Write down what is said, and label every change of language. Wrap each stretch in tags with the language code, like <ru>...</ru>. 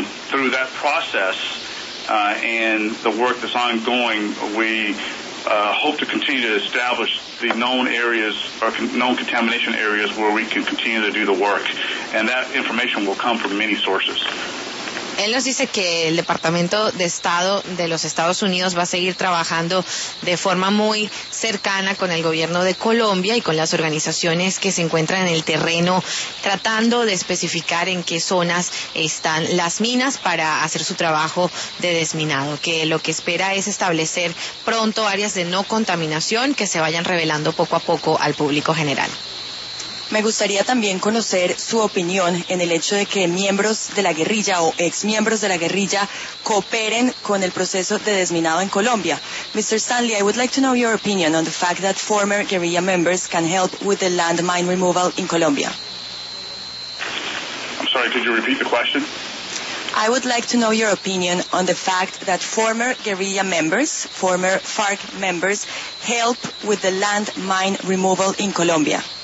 <en>Through that process and the work that's ongoing, we hope to continue to establish the known areas or known contamination areas where we can continue to do the work. And that information will come from many sources.</en> <es>Él nos dice que el Departamento de Estado de los Estados Unidos va a seguir trabajando de forma muy cercana con el gobierno de Colombia y con las organizaciones que se encuentran en el terreno, tratando de especificar en qué zonas están las minas para hacer su trabajo de desminado, que lo que espera es establecer pronto áreas de no contaminación que se vayan revelando poco a poco al público general. Me gustaría también conocer su opinión en el hecho de que miembros de la guerrilla o exmiembros de la guerrilla cooperen con el proceso de desminado en Colombia.</es> <en>Mr. Stanley, I would like to know your opinion on the fact that former guerrilla members can help with the landmine removal in Colombia. I'm sorry, could you repeat the question? I would like to know your opinion on the fact that former guerrilla members, former FARC members, help with the landmine removal in Colombia.</en>